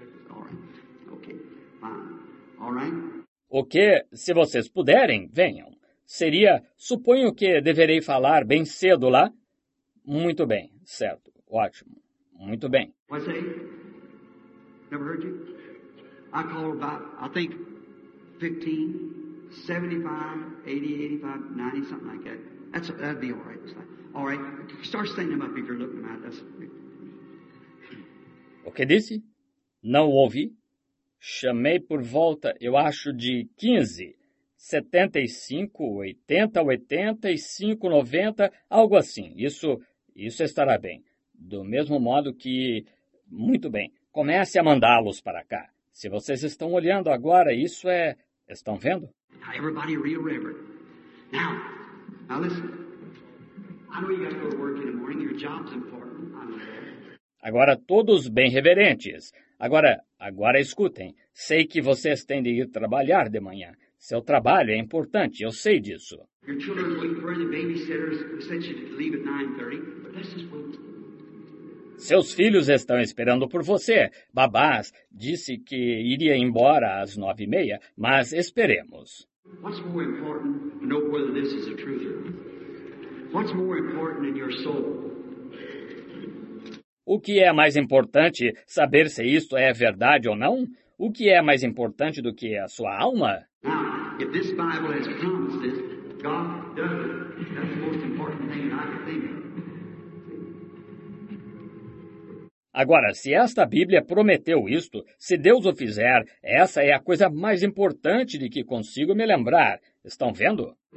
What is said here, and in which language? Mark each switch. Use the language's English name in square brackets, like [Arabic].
[English] All right. Okay. Fine. All right? Okay. [Portuguese] Se vocês puderem, venham. Seria, suponho que deverei falar bem cedo lá. Muito bem, certo. Ótimo. Muito bem. [English] What's that? Never heard you? I call about, I think, 15, 75, 80, 85, 90, something like that. That'd be all right. All right. Start saying them up if you're looking at us. [Portuguese] O que disse? Não ouvi. Chamei por volta, eu acho, de 15. 75, 80, 85, 90, algo assim. Isso estará bem. Do mesmo modo que... Muito bem. Comece a mandá-los para cá. Se vocês estão olhando agora, isso é... Estão vendo? [English] Everybody real reverent. Now, listen. I know you got to go to work in the morning. Your job's important. I know. [Portuguese] Agora, todos bem reverentes. Agora escutem. Sei que vocês têm de ir trabalhar de manhã. Seu trabalho é importante, eu sei disso. [English] Your children are waiting for the babysitters sent you to leave at 9:30, but let's just wait. [Portuguese] Seus filhos estão esperando por você. Babás disse que iria embora às 9:30, mas esperemos. [English] What's more important to know whether this is the truth or not? What's more important in your soul? [Portuguese] O que é mais importante saber se isto é verdade ou não? O que é mais importante do que a sua alma? [English] Now, if this Bible has promises, God does it. That's the most important thing I can think of. [Portuguese] Agora, se esta Bíblia prometeu isto, se Deus o fizer, essa é a coisa mais importante de que consigo me lembrar. Estão vendo?